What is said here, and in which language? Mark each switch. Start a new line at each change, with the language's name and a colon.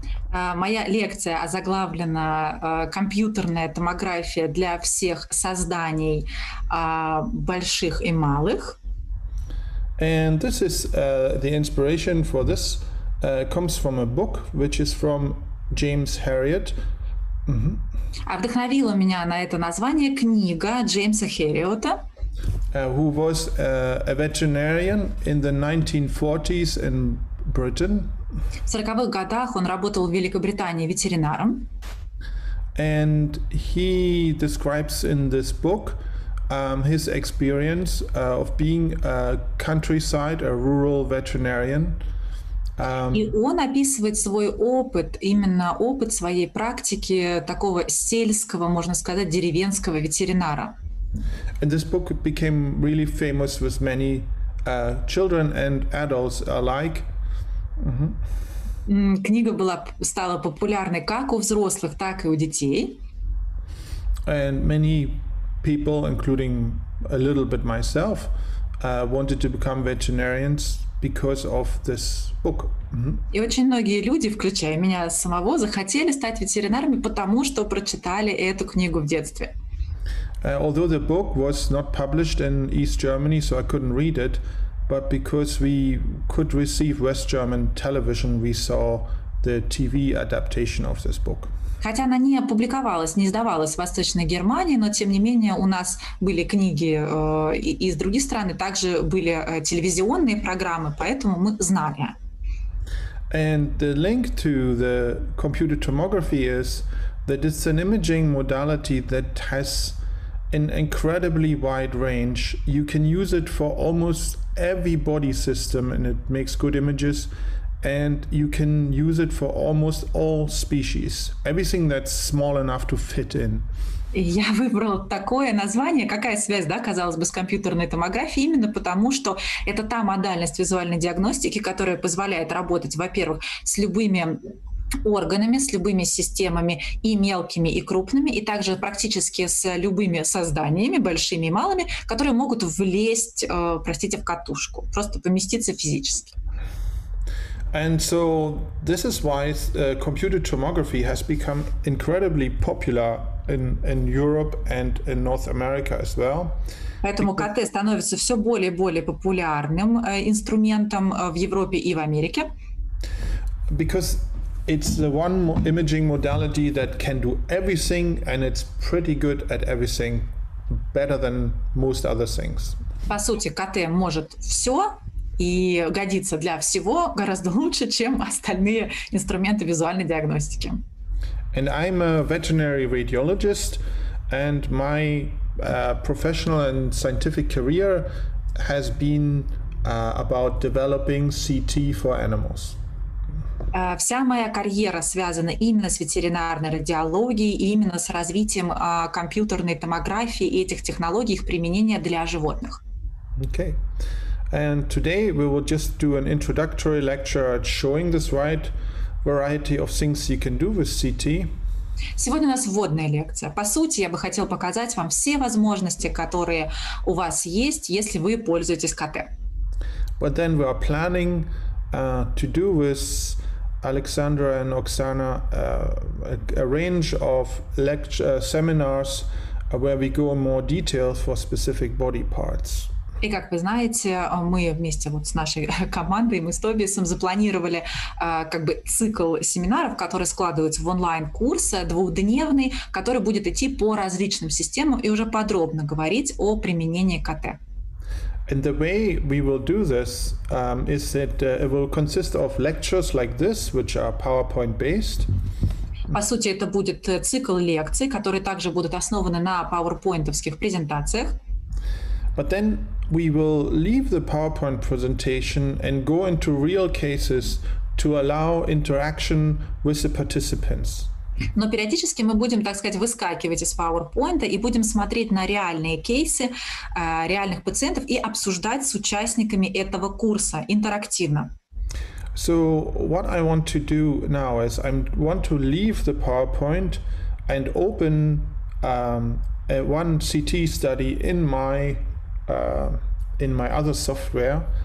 Russian: Моя лекция озаглавлена компьютерная томография для всех созданий больших и малых.
English: And this is the inspiration for this comes from a book which is from James Herriot.
Russian: А вдохновила меня на это название книга Джеймса Херриота.
English: Who was a veterinarian in the 1940s in Britain.
Russian: В 40-х годах он работал в Великобритании ветеринаром.
English: And he describes in this book his experience of being a countryside, a rural veterinarian.
Russian: И он описывает свой опыт, именно опыт своей практики такого сельского, можно сказать, деревенского ветеринара.
English: And this book became really famous with many children and adults alike. Mm-hmm.
Russian: Книга стала популярной как у взрослых, так и у детей.
English: And many people, including a little bit myself, wanted to become veterinarians because of this book. Mm-hmm.
Russian: И очень многие люди, включая меня самого, захотели стать ветеринарами, потому что прочитали эту книгу в детстве.
English: Although the book was not published in East Germany, so I couldn't read it, but because we could receive West German television, we saw the TV adaptation of this book.
Russian: Хотя она не опубликовалась, не издавалась в Восточной Германии, но тем не менее у нас были книги из других стран, и также были телевизионные программы, поэтому мы знали.
English: And the link to the computer tomography is that it's an imaging modality that has an incredibly wide range. You can use it for almost every body system and it makes good images. And you can use it for almost all species. Everything that's small enough to fit in.
Russian: Я выбрала такое название. Какая связь, да, казалось бы, с компьютерной томографией? Именно потому, что это та модальность визуальной диагностики, которая позволяет работать, во-первых, с любыми органами, с любыми системами и мелкими, и крупными, и также практически с любыми созданиями, большими и малыми, которые могут влезть, простите, в катушку, просто поместиться физически.
English: And so this is why computer tomography has become incredibly popular in Europe and in North America as well.
Russian: Поэтому КТ становится все более и более популярным инструментом в Европе и в Америке.
English: Because it's the one imaging modality that can do everything and it's pretty good at everything, better than most other things.
Russian: По сути, КТ может все. И годится для всего гораздо лучше, чем остальные инструменты визуальной диагностики.
English: And I'm a veterinary radiologist, and my professional and scientific career has been about developing CT for animals.
Russian: Вся моя карьера связана именно с ветеринарной радиологией и именно с развитием компьютерной томографии и этих технологий, их применения для животных. Okay.
English: And today we will just do an introductory lecture showing this wide variety of things you can do with CT.
Russian: Сегодня у нас вводная лекция. По сути, я бы хотел показать вам все возможности, которые у вас есть, если вы пользуетесь КТ.
English: But then we are planning to do with Alexandra and Oksana a range of lecture seminars where we go in more detail for specific body parts.
Russian: И как вы знаете, мы вместе вот с нашей командой, мы с Тобиасом запланировали как бы цикл семинаров, который складывается в онлайн-курс двухдневный, который будет идти по различным системам и уже подробно говорить о применении КТ.
English: And the way we will do this is that it will consist of lectures like this, which are PowerPoint-based.
Russian: По сути, это будет цикл лекций, которые также будут основаны на PowerPoint-овских презентациях.
English: But then we will leave the PowerPoint presentation and go into real cases to allow interaction with the participants.
Russian: Но периодически мы будем, так сказать, выскакивать из PowerPoint и будем смотреть на реальные кейсы реальных пациентов и обсуждать с участниками этого курса интерактивно.
English: So what I want to do now is I want to leave the PowerPoint and open one CT study in my other software.